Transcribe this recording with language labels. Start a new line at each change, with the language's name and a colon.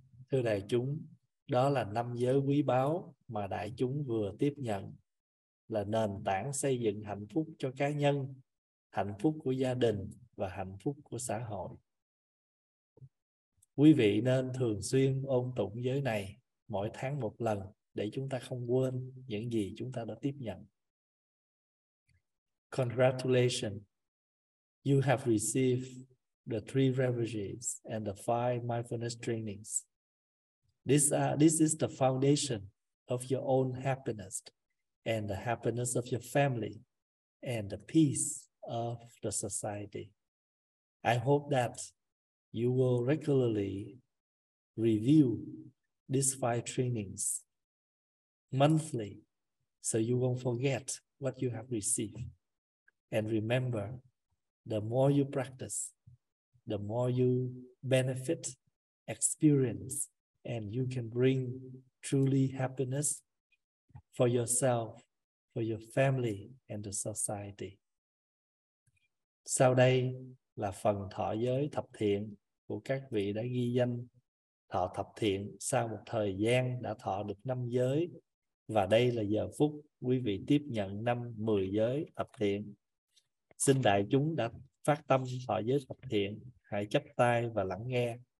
Vietnamese: Thưa đại chúng, đó là năm giới quý báu mà đại chúng vừa tiếp nhận, là nền tảng xây dựng hạnh phúc cho cá nhân, hạnh phúc của gia đình và hạnh phúc của xã hội. Quý vị nên thường xuyên ôn tụng giới này mỗi tháng một lần để chúng ta không quên những gì chúng ta đã tiếp nhận.
English: Congratulations! You have received the three refuges and the five mindfulness trainings. This is the foundation of your own happiness and the happiness of your family and the peace of the society. I hope that you will regularly review these five trainings monthly so you won't forget what you have received. And remember, the more you practice, the more you benefit, experience, and you can bring truly happiness for yourself, for your family and the society.
Vietnamese: Sau đây là phần thọ giới thập thiện của các vị đã ghi danh thọ thập thiện sau một thời gian đã thọ được năm giới, và đây là giờ phút quý vị tiếp nhận năm 10 giới thập thiện. Xin đại chúng đã phát tâm thọ giới thập thiện, hãy chắp tay và lắng nghe.